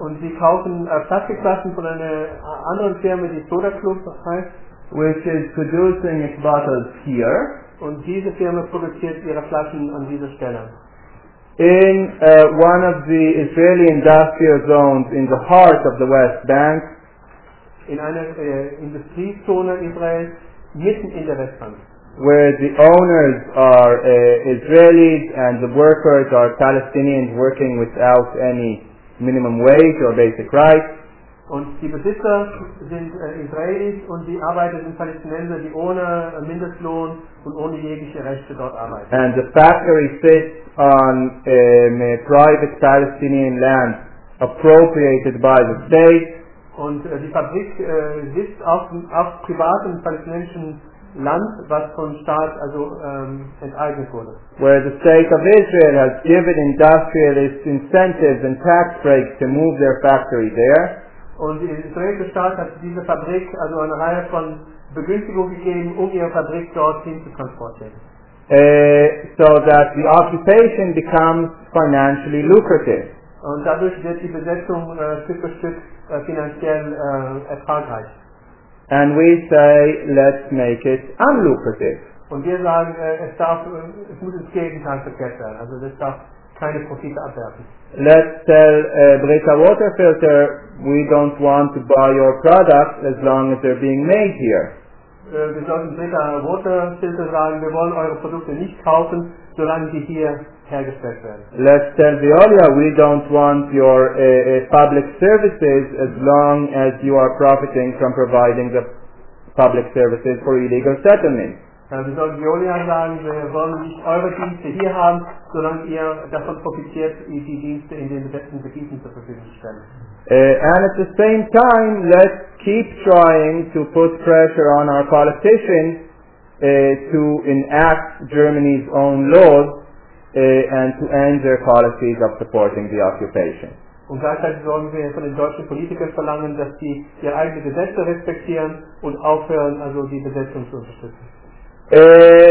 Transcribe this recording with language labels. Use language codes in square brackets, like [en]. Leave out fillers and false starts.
[de] Und sie kaufen Plastikflaschen von einer anderen Firma, die Soda Club heißt, [en] which is producing its bottles here. [de] Und diese Firma produziert ihre Flaschen an dieser Stelle. [en] In one of the Israeli industrial zones in the heart of the West Bank. [de] In einer Industriezone Israels mitten in der Westbank. [en] Where the owners are Israelis and the workers are Palestinians working without any minimum wage or basic rights. [de] Und die Besitzer sind Israelis und die Arbeiter sind Palästinenser, die ohne Mindestlohn und ohne jegliche Rechte dort arbeiten. [en] And the factory sits on private Palestinian land appropriated by the state. [de] Und die Fabrik sitzt auf privaten palästinensischen Land, was vom Staat also enteignet wurde. [en] Where the state of Israel has given industrialists incentives and tax breaks to move their factory there. [de] Und der israelische Staat hat diese Fabrik also eine Reihe von Begünstigungen gegeben, um ihre Fabrik dorthin zu transportieren. [en] So that the occupation becomes financially lucrative. [de] Und dadurch wird die Besetzung Stück für Stück finanziell ertragreich. [en] And we say, let's make it unlucrative. [de] Und wir sagen, es muss ins Gegenteil verkehrt sein. Also das darf keine Profite abwerfen. [en] Let's tell Brita Water Filter, we don't want to buy your product as long as they're being made here. [de] Wir sollten Brita Water Filter sagen, wir wollen eure Produkte nicht kaufen, solange sie hier hergestellt werden. [en] Let's tell Veolia, we don't want your public services as long as you are profiting from providing the public services for illegal settlement. [de] Wir sollten Veolia sagen, wir wollen nicht eure Dienste hier haben, solange ihr davon profitiert, die Dienste in den besten Gebieten zur Verfügung zu stellen. [en] And at the same time, let's keep trying to put pressure on our politicians to enact Germany's own laws and to end their policies of supporting the occupation. [de] Und gleichzeitig sollen wir von den deutschen Politikern verlangen, dass sie ihre eigenen Gesetze respektieren und aufhören, also die Besetzung zu unterstützen.